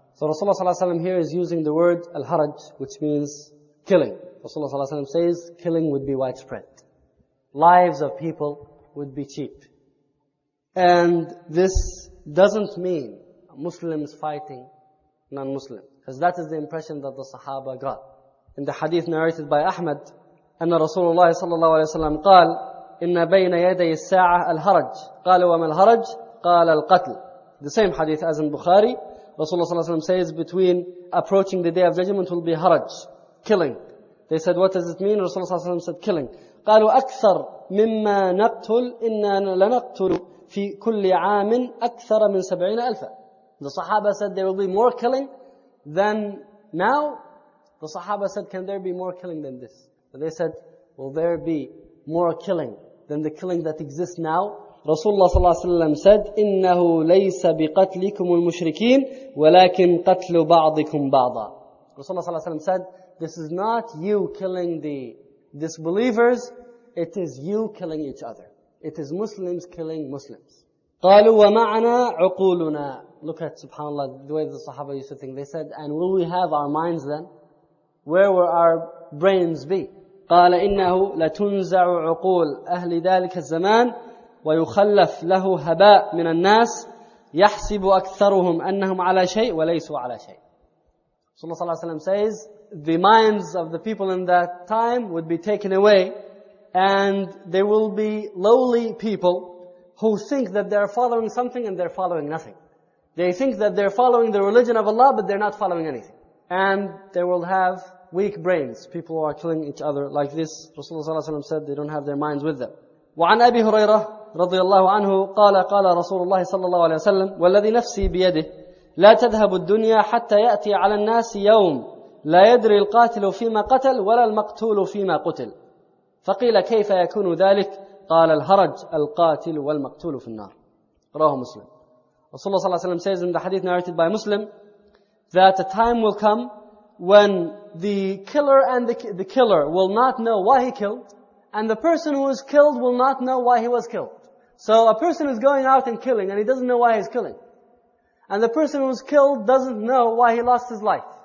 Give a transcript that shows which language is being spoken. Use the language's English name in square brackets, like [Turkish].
[English] So Rasulullah sallallahu alayhi wa sallam here is using the word al-haraj, which means killing. Rasulullah sallallahu alayhi wa sallam says, killing would be widespread. Lives of people would be cheap. And this doesn't mean Muslims fighting non-Muslim. Because that is the impression that the Sahaba got. In the hadith narrated by Ahmad, [Arabic] أن رسول الله صلى الله عليه وسلم قال إن بين يدي الساعة الهرج قال وما الهرج قال القتل. [English] The same hadith as in Bukhari. Rasulullah صلى الله عليه وسلم says between approaching the day of judgment will be haraj, killing. They said what does it mean? [Arabic] Rasulullah صلى الله عليه وسلم [English] said killing. [Arabic] قالوا أكثر مما نقتل إن لنقتل في كل عام أكثر من 70,000. [English] The Sahaba said there will be more killing than now. The Sahaba said can there be more killing than this? But they said, will there be more killing than the killing that exists now? [Arabic] Rasulullah sallallahu alayhi wa sallam [English] said, [Arabic] إِنَّهُ لَيْسَ بِقَتْلِكُمُ الْمُشْرِكِينَ وَلَكِنْ قَتْلُ بَعْضِكُمْ بَعْضًا. [English] Rasulullah sallallahu alayhi wa sallam said, this is not you killing the disbelievers, it is you killing each other. It is Muslims killing Muslims. [Arabic] قَالُوا وَمَعْنَا عُقُولُنَا. [English] Look at, subhanAllah, the way the Sahaba used to think. They said, and will we have our minds then? Where were our brains be? [Arabic] قال إنه لتنزع عقول أهل ذلك الزمان ويخلف له هباء من الناس يحسب أكثرهم أنهم على شيء وليسوا على شيء. [English] صلى الله عليه وسلم says the minds of the people in that time would be taken away and there will be lowly people who think that they are following something and they're following nothing. They think that they're following the religion of Allah but they're not following anything. And they will have weak brains, people who are killing each other like this. Rasulullah sallallahu alaihi wasallam said they don't have their minds with them. [Arabic] وعن أبي هريرة رضي الله عنه قال قال رسول الله صلى الله عليه وسلم والذي نفسي بيده لا تذهب الدنيا حتى يأتي على الناس يوم لا يدري القاتل فيما قتل ولا المقتول فيما قتل. فقيل كيف يكون ذلك؟ قال الهرج القاتل والمقتول في النار. رواه مسلم. [English] رسول الله صلى الله عليه وسلم says in the hadith narrated by Muslim that a time will come when the killer and the killer will not know why he killed, and the person who is killed will not know why he was killed. So a person is going out and killing, and he doesn't know why he's killing. And the person who is killed doesn't know why he lost his life.